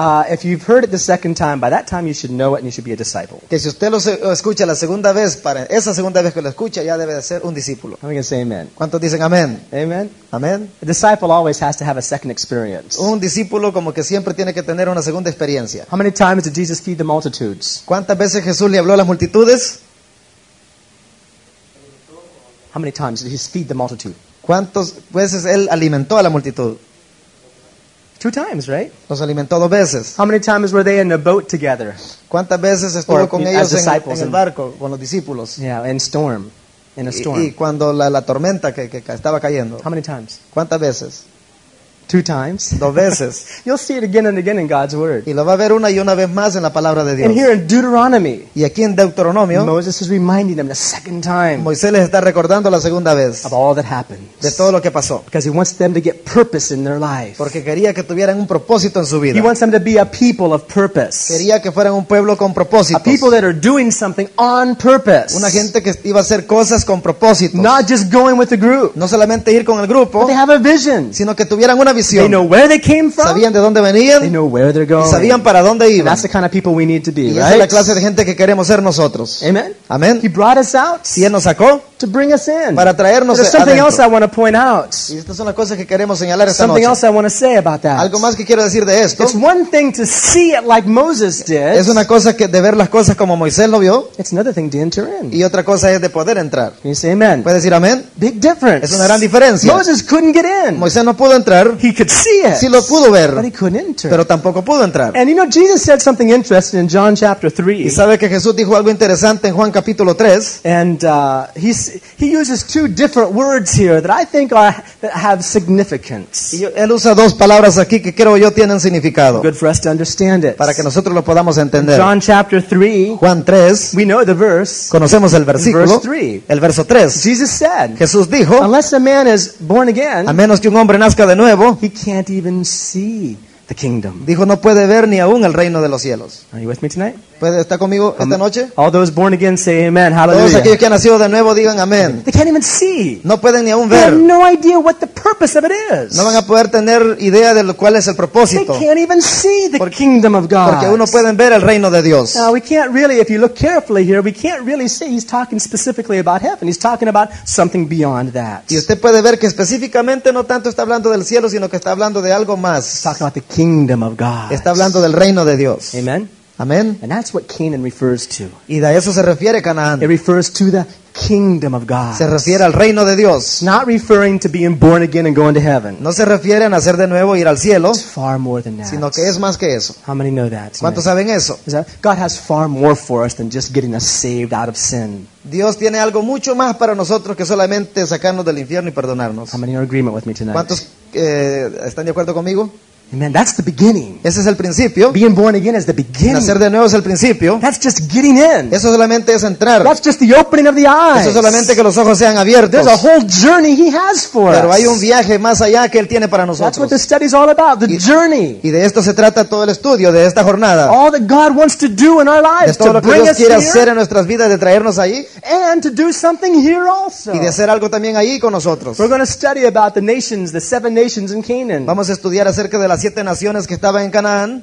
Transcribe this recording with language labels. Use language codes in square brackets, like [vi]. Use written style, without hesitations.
[en] If you've heard it the second time, by that time you should know it and you should be a disciple. [es] Que si usted lo escucha la segunda vez, para esa segunda vez que lo escucha, ya debe de ser un discípulo. [en] I'm going to say amen. [es] ¿Cuántos dicen amén? [en] Amen. [es] Amen. [en] A disciple always has to have a second experience. [es] Un discípulo como que siempre tiene que tener una segunda experiencia. [en] How many times did Jesus feed the multitudes? [es] ¿Cuántas veces Jesús le habló a las multitudes? [en] How many times did he feed the multitude? [es] ¿Cuántas veces él alimentó a la multitud? [en] Two times, right? [es] Los alimentó dos veces. [en] How many times were they in a boat together? [es] ¿Cuántas veces estuvo con ellos en el barco con los discípulos? [en] Yeah, in storm, in a storm. [es] Y cuando la tormenta que estaba cayendo. [en] How many times? [es] ¿Cuántas veces? [en] Two times. [es] Dos veces. [en] You'll see it again and again in God's word. [es] Y lo va a ver una y una vez más en la palabra de Dios. [en] And here in Deuteronomy. [es] Y aquí en Deuteronomio. [en] Moses is reminding them the second time. [es] Moisés les está recordando la segunda vez. [en] Of all that happened. [es] De todo lo que pasó. [en] Because he wants them to get purpose in their life. [es] Porque quería que tuvieran un propósito en su vida. [en] He wants them to be a people of purpose. [es] Quería que fueran un pueblo con propósitos. [en] A people that are doing something on purpose. [es] Una gente que iba a hacer cosas con propósitos. [en] Not just going with the group. [es] No solamente ir con el grupo. [en] But they have a vision. [es] Sino que tuvieran una visión. [en] They know where they came from. [es] Sabían de dónde venían. [en] They know where they're going. [es] Y sabían para dónde iban. [en] And that's the kind of people we need to be, [es] y [en] right? [es] Y esa es la clase de gente que queremos ser nosotros. [en] Amen. [es] Amen. [en] He brought us out. [es] Y él nos sacó. [en] To bring us in. [es] Para traernos adentro. [en] There's something else I want to point out. [es] Y estas son las cosas que queremos señalar esta [en] something [es] noche. [en] Something else I want to say about that. [es] Algo más que quiero decir de esto. [en] It's one thing to see it like Moses did. [es] Es una cosa que de ver las cosas como Moisés lo vio. [en] It's another thing to enter in. [es] Y otra cosa es de poder entrar. [en] Can you say amen? [es] ¿Puedes decir amén? [en] Big difference. [es] Es una gran diferencia. [en] Moses couldn't get in. [es] Moisés no pudo entrar. [en] He could see it. [es] Sí lo pudo ver. [en] But he couldn't enter. [es] Pero tampoco pudo entrar. [en] And you know Jesus said something interesting in John chapter 3. [es] Y sabe que Jesús dijo algo interesante en Juan capítulo 3. [en] And he uses two different words here that I think that have significance. [es] Y él usa dos palabras aquí que creo yo tienen significado. [en] Good for us to understand it. [es] Para que nosotros lo podamos entender. [en] In John chapter 3. [es] Juan 3. [en] We know the verse. [es] Conocemos el versículo. [en] Verse 3. [es] El verso 3. [en] Jesus said. [es] Jesús dijo. [en] Unless a man is born again. [es] A menos que un hombre nazca de nuevo. [en] He can't even see the kingdom. [es] Dijo no puede ver ni aún el reino de los cielos. [en] Are you with me tonight? [es] ¿Puede estar conmigo esta noche? [en] All those born again say amen. Hallelujah. [es] Todos aquellos que han nacido de nuevo digan amén. [en] They can't even see. [es] No pueden ni aún [en] they [es] ver. [en] They have no idea what the purpose of it is. [es] No van a poder tener idea de lo cuál es el propósito. [en] They can't even see the kingdom of God. [es] Porque aún no pueden ver el reino de Dios. [en] Now we can't really, if you look carefully here, we can't really see he's talking specifically about heaven. He's talking about something beyond that. [es] Y usted puede ver que específicamente no tanto está hablando del cielo, sino que está hablando de algo más. [en] He's talking about the kingdom of God. [es] Está hablando del reino de Dios. [en] Amen. [es] Amen. [en] And that's what Canaan refers to. [es] Y de eso se refiere Canaán. [en] It refers to the kingdom of God. [es] Se refiere al reino de Dios. [en] Not referring to being born again and going to heaven. [es] No se refiere a nacer de nuevo y ir al cielo. [en] It's far more than that. [es] Sino que es más que eso. [en] How many know that? [es] ¿Cuántos saben eso? [en] God has far more for us than just getting us saved out of sin. [es] Dios tiene algo mucho más para nosotros que solamente sacarnos del infierno y perdonarnos. [en] How many are in agreement with me tonight? [es] ¿Cuántos están de acuerdo conmigo? [en] Amen. That's the beginning. [es] Ese es el principio. [en] Being born again is the beginning. [es] Nacer de nuevo es el principio. [en] That's just getting in. [es] Eso solamente es entrar. [en] That's just the opening of the eyes. [es] Eso solamente que los ojos sean abiertos. [en] There's a whole journey he has for us. [es] Pero hay un viaje más allá que él tiene para nosotros. [en] That's what the study is all about. The journey. [es] Y de esto se trata todo el estudio de esta jornada. [en] All that God wants to do in our lives. [es] De todo lo que Dios quiere hacer en nuestras vidas de traernos ahí. [en] And to do something here also. [es] Y de hacer algo también ahí con nosotros. [en] We're going to study about the nations, the seven nations in Canaan. [es] Vamos a estudiar acerca de las siete naciones que estaban en Canaán.